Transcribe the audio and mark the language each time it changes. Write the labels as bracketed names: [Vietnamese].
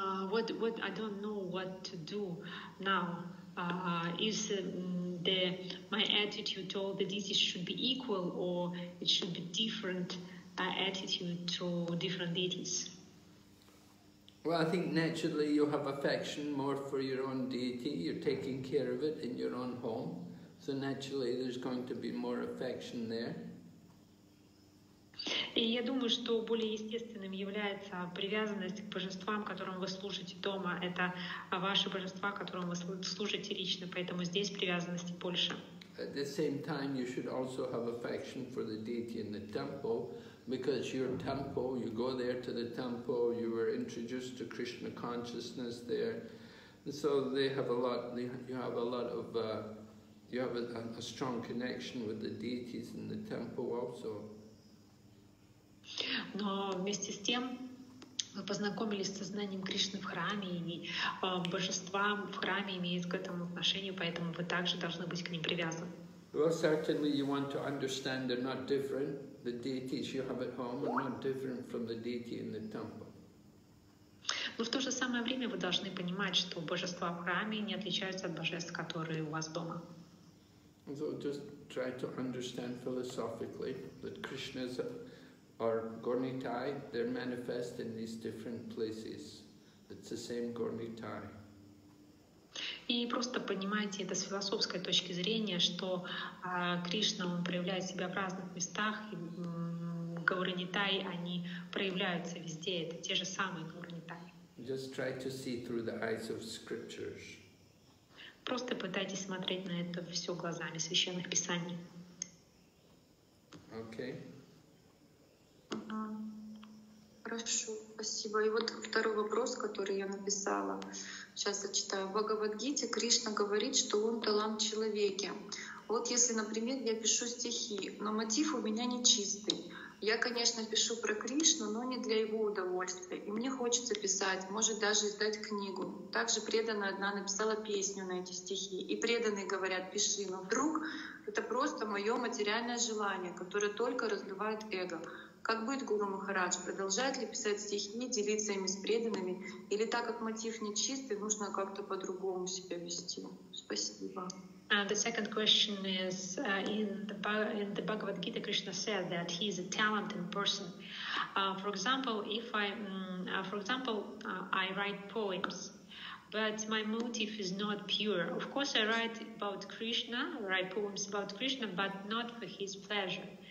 [English] What I don't know what to do now. My attitude to all the deities should be equal, or it should be different attitude to different deities? Well, I think naturally you have affection more for your own deity. You're taking care of it in your own home, so naturally there's going to be more affection there. [Russian] И я думаю, что более естественным является привязанность к божествам, которым вы служите дома. Это ваши божества, которым вы служите лично, поэтому здесь привязанности больше. [English] At the same time, you should also have affection for the deity in the temple, because your temple, you go there to the temple, you were introduced to Krishna consciousness there, and so they have a lot. You have a lot of, you have a strong connection with the deities in the temple also. [Russian] Но вместе с тем вы познакомились со знанием Кришны в храме, и божества в храме имеют к этому отношение, поэтому вы также должны быть к ним привязаны. [English] Well, certainly you want to understand they're not different. The deities you have at home are not different from the deity in the temple. [Russian] Но в то же самое время вы должны понимать, что божества в храме не отличаются от божеств, которые у вас дома. [English] So just try to understand philosophically that Krishna is or Gornitai, they're manifest in these different places. It's the same Gornitai. [Russian] И просто понимайте это с философской точки зрения, что Кришна, он проявляет себя в разных местах, и Gornitai, они проявляются везде, это те же самые Gornitai. [English] Just try to see through the eyes of scriptures. [Russian] Просто пытайтесь смотреть на это все глазами священных писаний. [English] Okay. [Russian] Хорошо, спасибо. И вот второй вопрос, который я написала. Сейчас я читаю. В Бхагавад-гите Кришна говорит, что он талант в человеке. Вот если, например, я пишу стихи, но мотив у меня не чистый. Я, конечно, пишу про Кришну, но не для его удовольствия. И мне хочется писать, может даже издать книгу. Также преданная одна написала песню на эти стихи. И преданные говорят, пиши, но вдруг это просто мое материальное желание, которое только раздувает эго. Как будет Гуру Махарадж? Продолжает ли писать стихи, делиться ими с преданными? Или так как мотив нечистый, нужно как-то по-другому себя вести? Спасибо. [English] The second question is, in the Bhagavad Gita, Krishna said that he is a talented person. For example, I write poems, but my motive is not pure. Of course, I write about Krishna, write poems about Krishna, but not for his pleasure.